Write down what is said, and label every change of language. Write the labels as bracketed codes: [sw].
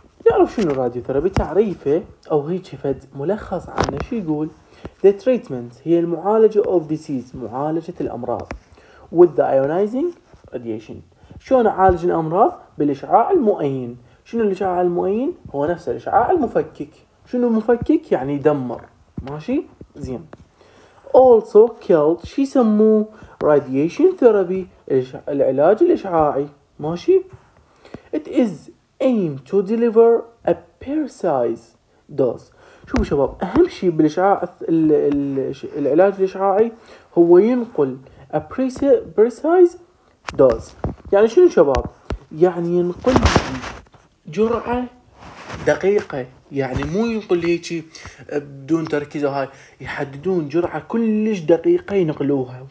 [ar] نعرف شنو الراديو ثيرابي، تعريفه او هيك فد ملخص عنه شو يقول؟ [en] The treatment [ar] هي المعالجة [en] of disease، [ar] معالجة الأمراض. [en] With the ionizing radiation، [ar] شلون أعالج الأمراض؟ بالإشعاع المؤين. شنو الإشعاع المؤين؟ هو نفس الإشعاع المفكك. شنو المفكك؟ يعني يدمر، ماشي؟ زين. [en] Also killed، [ar] شي يسموه [en] radiation therapy، [ar] العلاج الإشعاعي، ماشي؟ [en] It is aimed to deliver a precise dose. [ar] شوفوا شباب، اهم شيء بالاشعاع العلاج الاشعاعي هو ينقل [en] a precise dose. [ar] يعني شنو شباب؟ يعني ينقل جرعه دقيقه، يعني مو ينقل هيجي بدون تركيز، هاي يحددون جرعه كلش دقيقه ينقلوها.